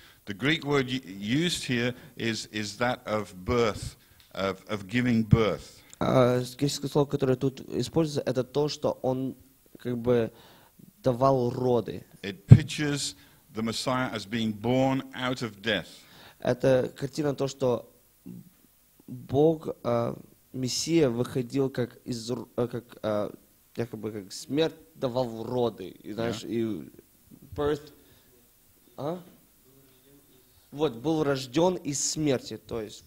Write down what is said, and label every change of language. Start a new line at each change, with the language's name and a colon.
English: The Greek word used here is that of birth, of giving birth.
Russian: Греческое слово, которое тут используется, это то, что он как бы давал роды.
English: It pictures the Messiah as being born out of death.
Russian: Это картина то, что Бог, Мессия, выходил как из, как якобы как смерть давал роды, знаешь, и birth, вот был рожден из смерти, то есть.